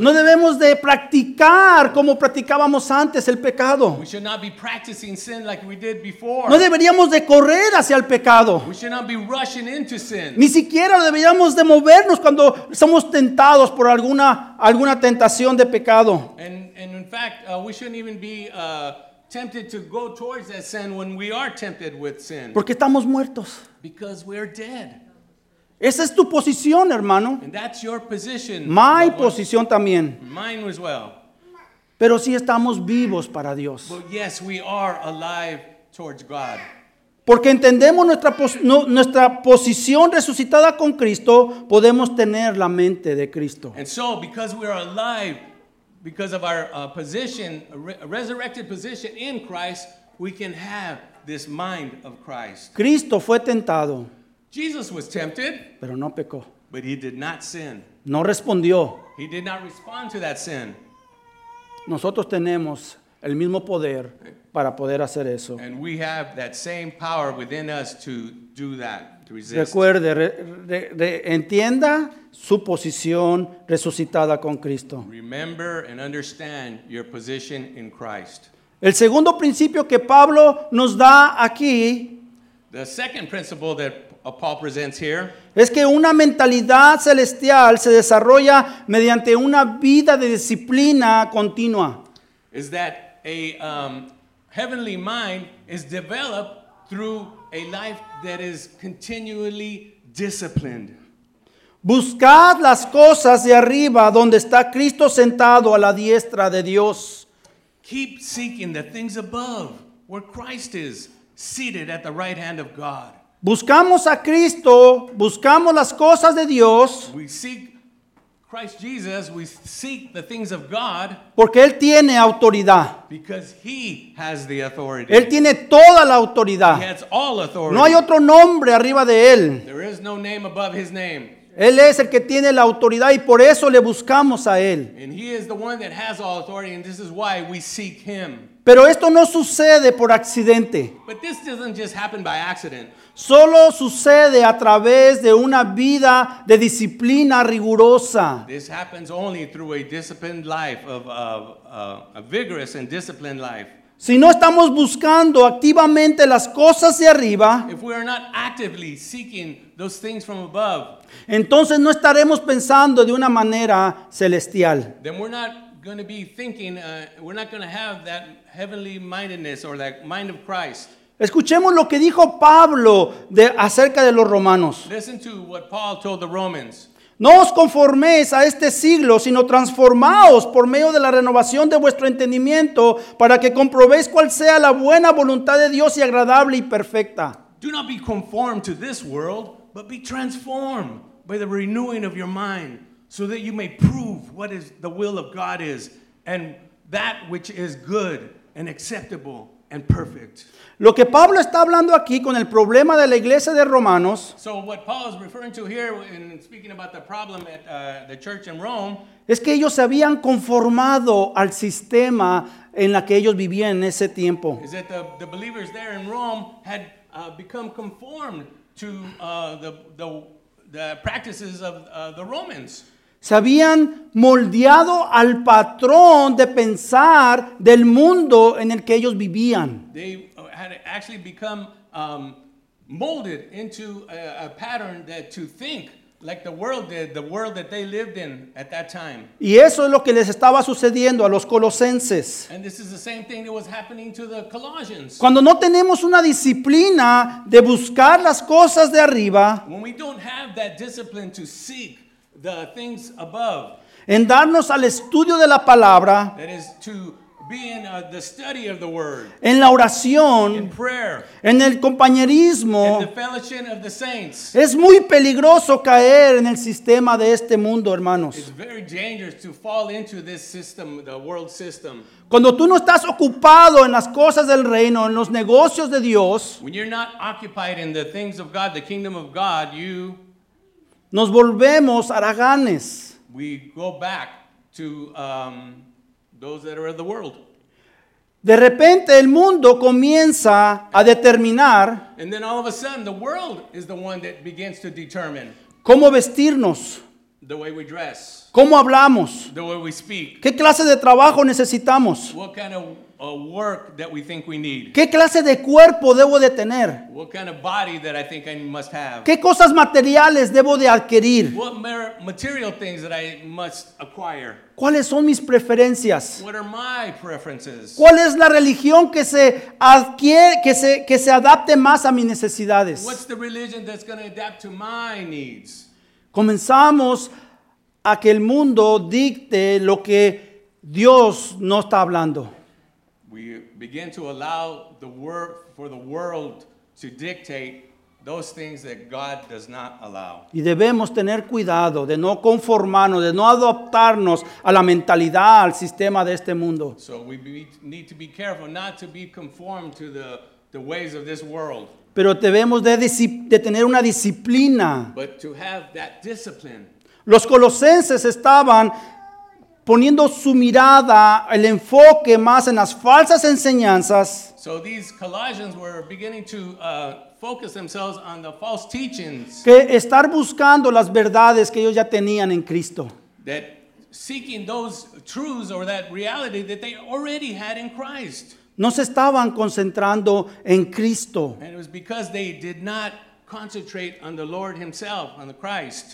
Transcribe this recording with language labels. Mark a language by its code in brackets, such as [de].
[es] No debemos de practicar como practicábamos antes el pecado. [en] We should not be practicing sin like we did before. [es] No deberíamos de correr hacia el pecado. [en] We should not be rushing into sin. [es] Ni siquiera deberíamos de movernos cuando somos tentados por alguna tentación de pecado. [en] And in fact, we shouldn't even be tempted to go towards that sin when we are tempted with sin. [es] Porque estamos muertos. [en] Because we are dead. [es] Esa es tu posición, hermano. [en] And that's your position. [es] My posición también. [en] Mine as well. [es] Pero sí estamos vivos para Dios. [en] But yes, we are alive towards God. [es] Porque entendemos nuestra posición resucitada con Cristo, podemos tener la mente de Cristo. [en] And so, because we are alive, because of our position, resurrected position in Christ, we can have this mind of Christ. [es] Cristo fue tentado. [en] Jesus was tempted, [es] pero no pecó. [en] But he did not sin. [es] No respondió. [en] He did not respond to that sin. [es] Nosotros tenemos el mismo poder para poder hacer eso. [en] And we have that same power within us to do that, to resist. [es] Recuerde, entienda su posición resucitada con Cristo. [en] Remember and understand your position in Christ. [es] El segundo principio que Pablo nos da aquí, [en] The second principle that Paul presents here [es] es que una mentalidad celestial se desarrolla mediante una vida de disciplina continua. [en] Is that a heavenly mind is developed through a life that is continually disciplined. [es] Buscad las cosas de arriba donde está Cristo sentado a la diestra de Dios. [en] Keep seeking the things above where Christ is seated at the right hand of God. [es] Buscamos a Cristo, buscamos las cosas de Dios. [en] We seek Christ Jesus, we seek the things of God. [es] Porque él tiene autoridad. [en] Because he has the authority. [es] Él tiene toda la autoridad. [en] He has all authority. [es] No hay otro nombre arriba de él. [en] There is no name above his name. [es] Él es el que tiene la autoridad y por eso le buscamos a él. [en] And he is the one that has all authority, and this is why we seek him. [es] Pero esto no sucede por accidente. [en] But this doesn't just happen by accident. [es] Solo sucede a través de una vida de disciplina rigurosa. [en] This happens only through a disciplined life, a vigorous and disciplined life. [es] Si no estamos buscando activamente las cosas de arriba, [en] if we are not actively seeking those things from above, [es] entonces no estaremos pensando de una manera celestial. [en] Then we're not going to be thinking, we're not going to have that heavenly mindedness or that mind of Christ. [es] Escuchemos lo que dijo Pablo acerca de los romanos. [en] Listen to what Paul told the Romans. [es] No os conforméis a este siglo, sino transformaos por medio de la renovación de vuestro entendimiento para que comprobéis cuál sea la buena voluntad de Dios y agradable y perfecta. [en] Do not be conformed to this world, but be transformed by the renewing of your mind so that you may prove what is the will of God is and that which is good and acceptable and perfect. [es] Lo que Pablo está hablando aquí con el problema de la iglesia de Romanos, [en] so what Paul is referring to here in speaking about the problem at the church in Rome, [es] es que ellos se habían conformado al sistema en la que ellos vivían en ese tiempo. [en] Is that the believers there in Rome had become conformed to the practices of the Romans. [es] Se habían moldeado al patrón de pensar del mundo en el que ellos vivían. [en] They had actually become molded into a pattern that to think like the world did, the world that they lived in at that time. [es] Y eso es lo que les estaba sucediendo a los colosenses. [en] And this is the same thing that was happening to the Colossians. [es] Cuando no tenemos una disciplina de buscar las cosas de arriba, [en] when we don't have that discipline to seek the things above, [es] en darnos al estudio de la palabra, [en] that is to be in the study of the word, [es] en la oración, [en] in prayer, [es] en el compañerismo, [en] in the fellowship of the saints, [es] es muy peligroso caer en el sistema de este mundo, hermanos. [en] It's very dangerous to fall into this system, the world system. [es] Cuando tú no estás ocupado en las cosas del reino, en los negocios de Dios, [en] when you're not occupied in the things of God, the kingdom of God, you [es] nos volvemos haraganes. [en] We go back to those that are of the world. [es] De repente el mundo comienza a determinar, [en] and then all of a sudden the world is the one that begins to determine, [es] cómo vestirnos, [en] the way we dress, [es] cómo hablamos, [en] the way we speak, [es] qué clase de trabajo necesitamos, [en] what kind of work that we think we need, [es] qué clase de cuerpo debo de tener, [en] what kind of body that I think I must have, [es] qué cosas materiales debo de adquirir, [en] what material things that I must acquire, [es] cuáles son mis preferencias, [en] what are my preferences, [es] cuál es la religión que se adquiere, que se adapte más a mis necesidades, [en] what's the religion that's going to adapt to my needs. [es] Comenzamos a que el mundo dicte lo que Dios no está hablando. [en] We begin to allow the word for the world to dictate those things that God does not allow. [es] Y debemos tener cuidado de no conformarnos, de no adaptarnos a la mentalidad, al sistema de este mundo. [en] So we need to be careful not to be conformed to the ways of this world. [es] Pero debemos de tener una disciplina. [en] But to have that discipline. [es] Los colosenses estaban poniendo su mirada, el enfoque más en las falsas enseñanzas. [en] So these Colossians were beginning to focus themselves on the false teachings. [es] Que estar buscando las verdades que ellos ya tenían en Cristo. [en] That seeking those truths or that reality that they already had in Christ. [es] No se estaban concentrando en Cristo. [en] And it was because they did not concentrate on the Lord himself, on the Christ.